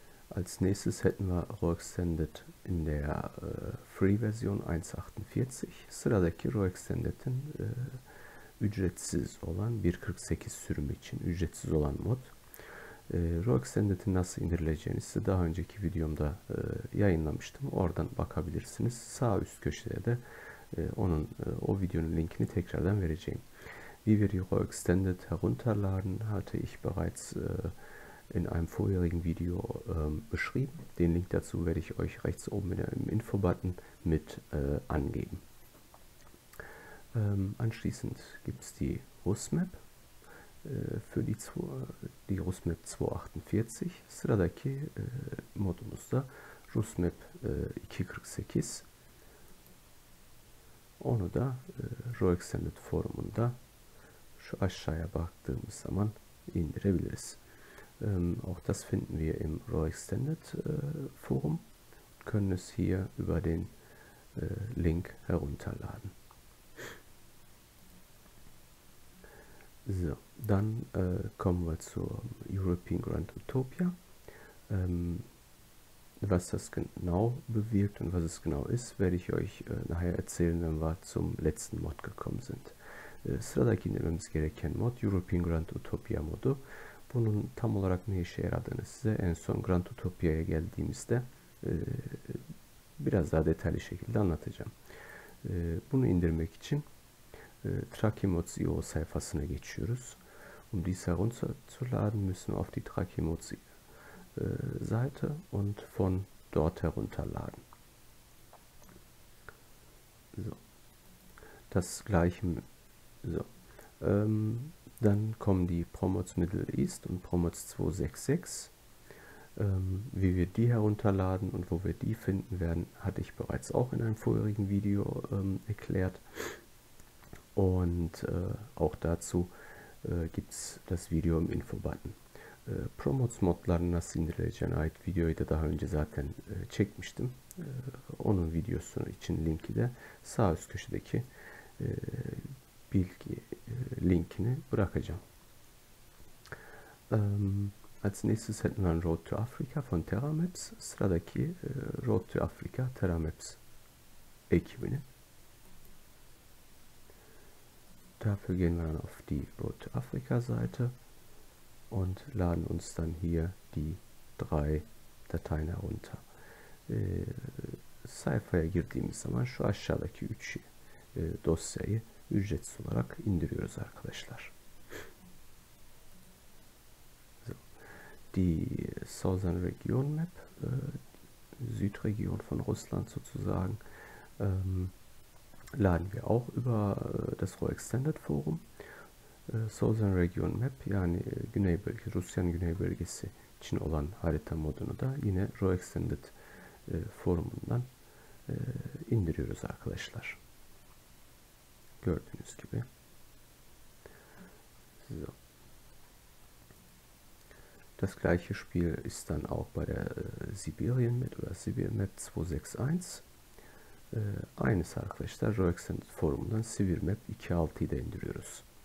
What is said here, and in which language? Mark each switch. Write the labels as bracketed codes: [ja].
[de] Als nächstes hätten wir Roextended in der Free-Version 1.48. [tr] Sıradaki Roextended'in ücretsiz olan 1.48 sürümü için ücretsiz olan mod. Roextended'in nasıl indirileceğini size daha önceki videomda yayınlamıştım. Oradan bakabilirsiniz. Sağ üst köşede de o videonun linkini tekrardan vereceğim. [de] Wie wir die Roextended herunterladen, hatte ich bereits in einem vorherigen Video beschrieben. Den Link dazu werde ich euch rechts oben im Info-Button mit angeben. Anschließend gibt es die RusMap für die RusMap 248. [tr] Sıradaki modumuzda RusMap 248. Onu da Roextended forumunda şu aşağıya baktığımız zaman indirebiliriz. [de] Auch das finden wir im Raw Extended Forum. Können es hier über den Link herunterladen. So, dann kommen wir zur European Grand Utopia. Was das genau bewirkt und was es genau ist, werde ich euch nachher erzählen, wenn wir zum letzten Mod gekommen sind. [tr] Sıradaki nedenimiz gereken Mod, European Grand Utopia modu. Bunun tam olarak ne işe yaradığını size en son Grand Utopia'ya geldiğimizde biraz daha detaylı şekilde anlatacağım. Bunu indirmek için Trakimods.io sayfasına geçiyoruz. [de] Um dies herunterzuladen, müssen wir auf die Trakimods.io Seite und von dort herunterladen. So. Das gleiche. So. Dann kommen die Promods Middle East und Promods 266. Wie wir die herunterladen und wo wir die finden werden, hatte ich bereits auch in einem vorherigen Video erklärt. Und auch dazu gibt es das Video im Infobutton. [tr] Promos modlarını nasıl indireceğine ait videoyu da daha önce zaten çekmiştim. Onun videosu için linki de sağ üst köşedeki bilgi linkini bırakacağım. [de] Als nächstes hätten wir ein Road to Africa von Terramaps. [tr] Sıradaki Road to Africa Terramaps ekibini. [de] Dafür gehen wir dann auf die Road to Africa Seite. Und laden uns dann hier die drei Dateien herunter. [tr] Sayfaya girdiğimiz zaman şu aşağıdaki üç dosyayı ücretsiz olarak indiriyoruz arkadaşlar. [de] Die Southern Region Map, Südregion von Russland sozusagen, laden wir auch über das Raw Extended Forum. [tr] Southern Region Map, yani Güney Bölge, Rusya'nın Güney Bölgesi için olan harita modunu da yine Raw Extended forumundan indiriyoruz arkadaşlar. Gördüğünüz gibi. [de] So. Das gleiche Spiel ist dann auch bei der Sibirien Map oder Sibir Map 261. [tr] Aynısı arkadaşlar, Raw Extended forumundan Sibir Map 2.6'yı da indiriyoruz.